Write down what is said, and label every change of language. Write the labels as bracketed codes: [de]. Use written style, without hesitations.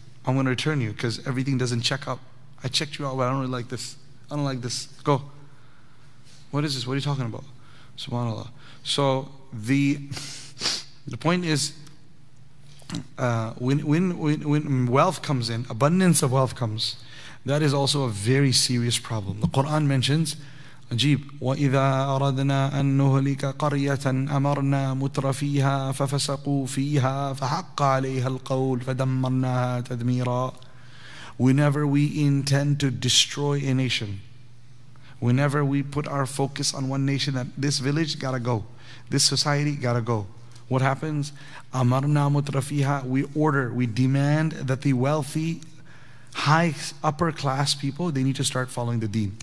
[en] I'm going to return you because everything doesn't check out. I checked you out, but I don't really like this. I don't like this. Go. What is this? What are you talking about? SubhanAllah. So the point is, when wealth comes in, abundance of wealth comes, that is also a very serious problem. The Quran mentions, Ajib, [ar] وَإِذَا أَرَدْنَا أَن نُهْلِكَ قَرْيَةً أَمَرْنَا مُتْرَفِيهَا فَفَسَقُوا فِيهَا فَحَقَّ عَلَيْهَا الْقَوْلُ فَدَمَّرْنَاهَا تَدْمِيرًا. [en] Whenever we intend to destroy a nation, whenever we put our focus on one nation, that this village gotta go, this society gotta go, what happens? [ar] أَمَرْنَا مُتْرَفِيهَا. [en] We order, we demand that the wealthy, high, upper class people, they need to start following the deen.